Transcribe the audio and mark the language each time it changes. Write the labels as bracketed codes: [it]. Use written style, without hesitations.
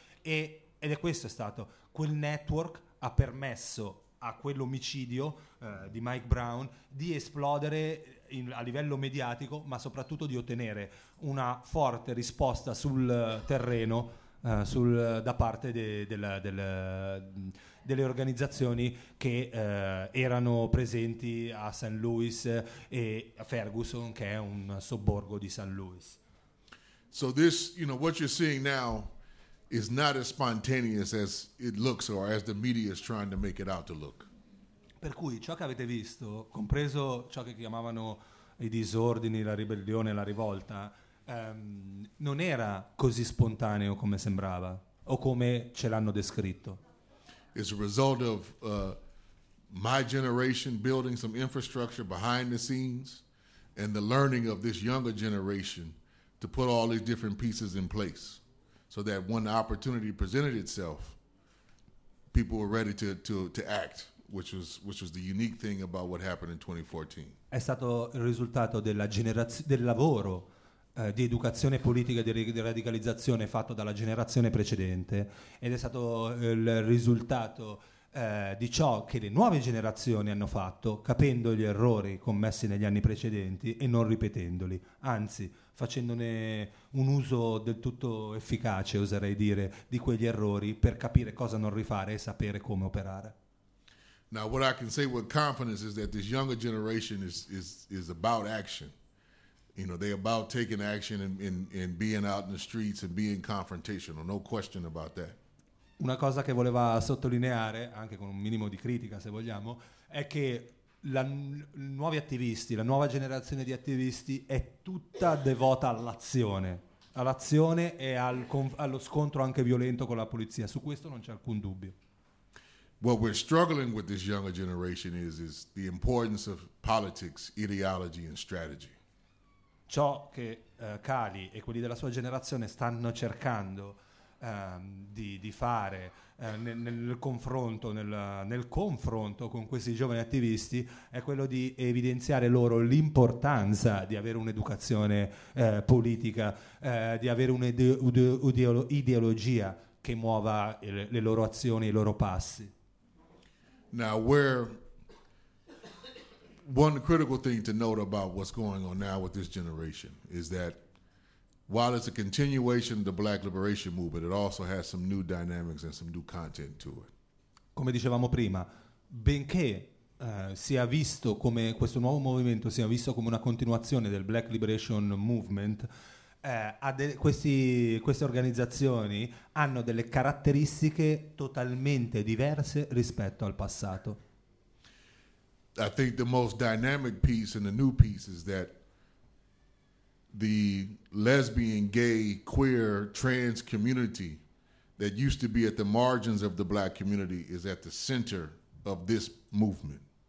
[it] Ed è questo è stato. Quel network ha permesso a quell'omicidio di Mike Brown di esplodere a livello mediatico, ma soprattutto di ottenere una forte risposta sul terreno da parte delle organizzazioni che erano presenti a St. Louis e a Ferguson, che è un sobborgo di St. Louis. [en] So this, you know, what you're seeing now is not as spontaneous as it looks or as the media is trying to make it out to look. [it] Per cui ciò che avete visto, compreso ciò che chiamavano i disordini, la ribellione, la rivolta, non era così spontaneo come sembrava o come ce l'hanno descritto. [en] It's a result of my generation building some infrastructure behind the scenes and the learning of this younger generation to put all these different pieces in place so that when the opportunity presented itself, people were ready to act, which was the unique thing about what happened in 2014. [it] È stato il risultato della del lavoro di educazione politica e di radicalizzazione fatto dalla generazione precedente ed è stato il risultato di ciò che le nuove generazioni hanno fatto capendo gli errori commessi negli anni precedenti e non ripetendoli, anzi facendone un uso del tutto efficace, oserei dire, di quegli errori per capire cosa non rifare e sapere come operare. [en] Now what I can say with confidence is that this younger generation is about action. You know, they're about taking action and being out in the streets and being confrontational, no question about that. [it] Una cosa che voleva sottolineare, anche con un minimo di critica se vogliamo, è che nuovi attivisti, la nuova generazione di attivisti è tutta devota all'azione e allo scontro anche violento con la polizia. Su questo non c'è alcun dubbio. [en] What we're struggling with this younger generation is the importance of politics, ideology and strategy. [it] Ciò che Cali e quelli della sua generazione stanno cercando di fare nel confronto con questi giovani attivisti è quello di evidenziare loro l'importanza di avere un'educazione politica, di avere un'ideologia che muova le loro azioni, i loro passi. [en] Now, one critical thing to note about what's going on now with this generation is that while it's a continuation of the Black Liberation Movement, it also has some new dynamics and some new content to it. [it] Come dicevamo prima, benché sia visto come questo nuovo movimento sia visto come una continuazione del Black Liberation Movement, queste organizzazioni hanno delle caratteristiche totalmente diverse rispetto al passato. [en] I think the most dynamic piece and the new piece is that the lesbian, gay, queer, trans community that used to be at the margins of the Black community is at the center of this movement.